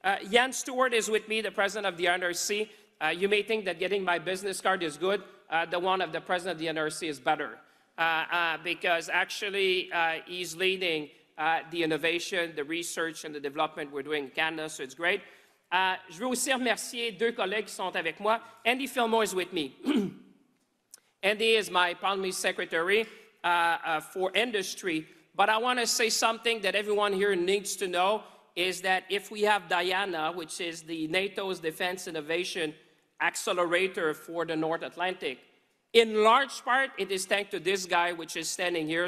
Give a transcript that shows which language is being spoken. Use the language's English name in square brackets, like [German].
[English] Jan Stewart is with me, the president of the NRC. You may think that getting my business card is good. The one of the president of the NRC is better. Because actually he's leading the innovation, the research, and the development we're doing in Canada, so it's great. [French] Je veux aussi remercier deux collègues qui sont avec moi. [English] Andy Fillmore is with me. Andy is my Parliament Secretary for Industry, but I want to say something that everyone here needs to know, is that if we have Diana, which is the NATO's Defense Innovation Accelerator for the North Atlantic, in large part, it is thanks to this guy, which is standing here.